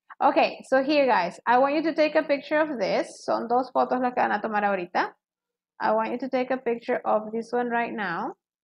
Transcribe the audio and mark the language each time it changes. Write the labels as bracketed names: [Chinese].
[English] Okay, so here, guys, I want you to take a picture of this. [Spanish] Son dos fotos las que van a tomar ahorita. [English] I want you to take a picture of this one right now.